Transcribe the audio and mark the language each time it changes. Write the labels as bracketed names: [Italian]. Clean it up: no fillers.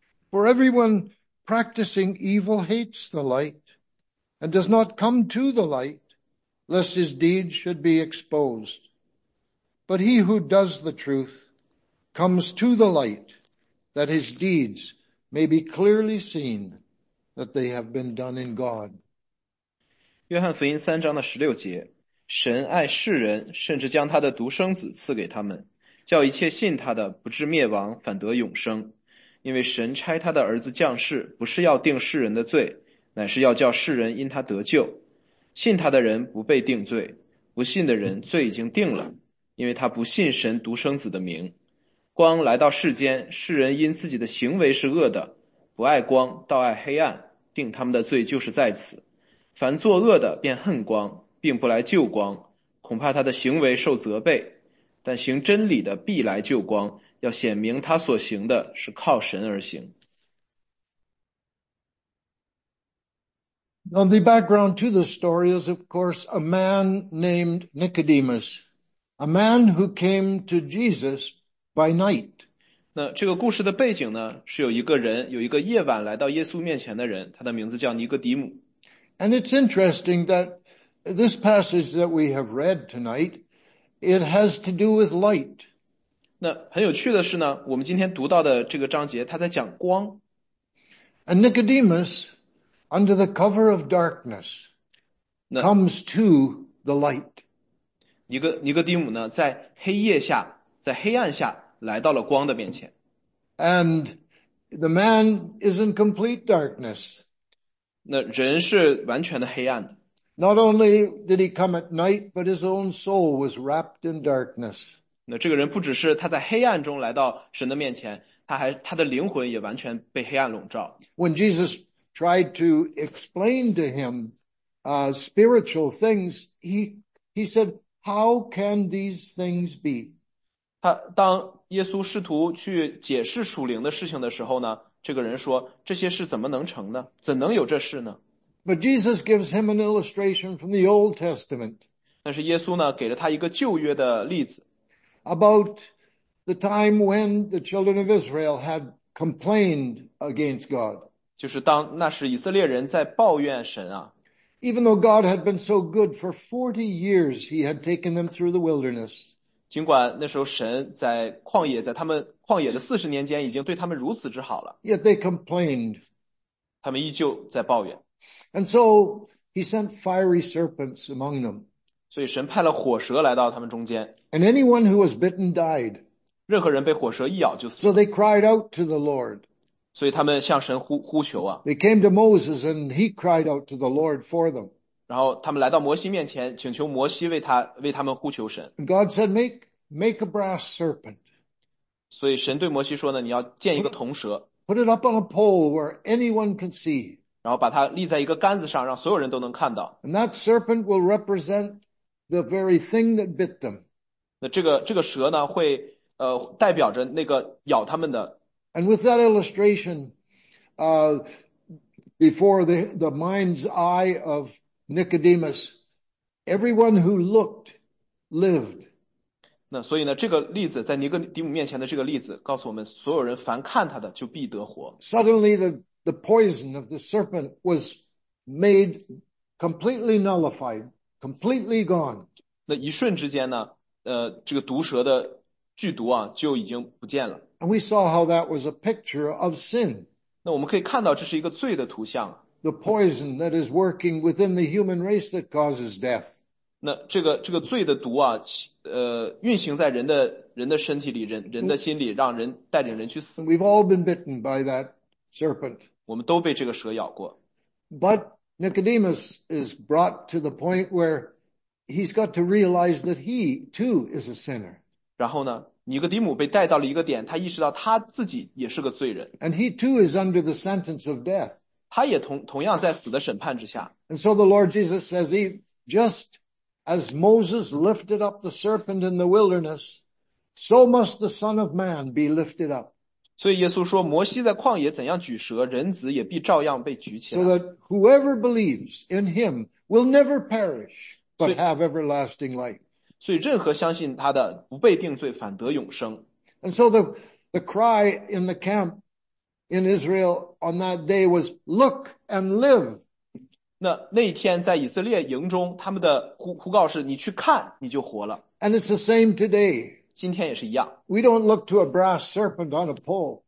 [English] For everyone practicing evil hates the light and does not come to the light lest his deeds should be exposed. But he who does the truth comes to the light that his deeds may be clearly seen that they have been done in God. [Chinese] 约翰福音三章的16节。神爱世人，甚至将他的独生子赐给他们，叫一切信他的不至灭亡，反得永生。因为神差他的儿子降世，不是要定世人的罪，乃是要叫世人因他得救。信他的人不被定罪，不信的人罪已经定了，因为他不信神独生子的名。光来到世间，世人因自己的行为是恶的，不爱光，倒爱黑暗，定他们的罪就是在此。凡作恶的，便恨光。并不来救光，恐怕他的行为受责备；但行真理的必来救光，要显明他所行的是靠神而行。 [English] Now the background to the story is, of course, a man named Nicodemus, a man who came to Jesus by night. [Chinese] 那这个故事的背景呢，是有一个人，有一个夜晚来到耶稣面前的人，他的名字叫尼哥底姆。 [English] And it's interesting that this passage that we have read tonight, it has to do with light. [Chinese] 那很有趣的是呢，我们今天读到的这个章节，他在讲光。 [English] And Nicodemus, under the cover of darkness, comes to the light. [Chinese] 尼哥底姆呢，在黑夜下，在黑暗下，来到了光的面前。 [English] And the man is in complete darkness. [Chinese] 那人是完全的黑暗的。 [English] Not only did he come at night, but his own soul was wrapped in darkness. [Chinese] 那这个人不只是他在黑暗中来到神的面前，他的灵魂也完全被黑暗笼罩。 [English] When Jesus tried to explain to him spiritual things, he said, "How can these things be?" [Chinese] 他当耶稣试图去解释属灵的事情的时候呢，这个人说，这些事怎么能成呢？怎能有这事呢？ [English] But Jesus gives him an illustration from the Old Testament. [Chinese] 但是耶稣呢，给了他一个旧约的例子。 [English] About the time when the children of Israel had complained against God. [Chinese] 就是当那时以色列人在抱怨神啊。 [English] Even though God had been so good for 40 years, he had taken them through the wilderness. [Chinese] 尽管那时候神在旷野，在他们旷野的40年间已经对他们如此之好了。 [English] Yet they complained. [Chinese] 他们依旧在抱怨。 [English] And so he sent fiery serpents among them. [Chinese] 所以神派了火蛇来到他们中间。 [English] And anyone who was bitten died. [Chinese] 任何人被火蛇一咬就死了。 [English] So they cried out to the Lord. [Chinese] 所以他们向神呼求啊。 [English] They came to Moses and he cried out to the Lord for them. [Chinese] 然后他们来到摩西面前，请求摩西为他们呼求神。 [English] And God said, make a brass serpent. [Chinese] 所以神对摩西说呢，你要建一个铜蛇， [English] Put it up on a pole where anyone can see. [Chinese] 然后把它立在一个杆子上，让所有人都能看到。 [English] And that serpent will represent the very thing that bit them. [Chinese] 那这个蛇呢，会代表着那个咬他们的。 [English] And with that illustration, before the mind's eye of Nicodemus, everyone who looked lived. [Chinese] 那所以呢，这个例子在尼哥底母面前的这个例子，告诉我们所有人凡看他的就必得活。 [English] Suddenly, the poison of the serpent was made completely nullified, completely gone. [Chinese] 那一瞬之间呢？这个毒蛇的剧毒啊，就已经不见了。 [English] And we saw how that was a picture of sin. [Chinese] 那我们可以看到，这是一个罪的图像。 [English] The poison that is working within the human race that causes death. [Chinese] 那这个罪的毒啊，运行在人的身体里，人的心里，让人带领人去死。 [English] And we've all been bitten by that serpent. [Chinese] 我们都被这个蛇咬过。 [English] But Nicodemus is brought to the point where he's got to realize that he too is a sinner. [Chinese] 然后呢，尼哥底母被带到了一个点，他意识到他自己也是个罪人。 [English] And he too is under the sentence of death. [Chinese] 他也同样在死的审判之下。 [English] And so the Lord Jesus says, just as Moses lifted up the serpent in the wilderness, so must the Son of Man be lifted up. [Chinese] 所以耶稣说，摩西在旷野怎样举蛇，人子也必照样被举起来。 [English] So that whoever believes in him will never perish, but have everlasting life. [Chinese] 所以任何相信他的不被定罪，反得永生。 [English] And so the cry in the camp in Israel on that day was, look and live. [Chinese] 那一天在以色列营中，他们的呼告是，你去看，你就活了。 [English] And it's the same today. [Chinese] 今天也是一样。 [English] We don't look to a brass serpent on a pole.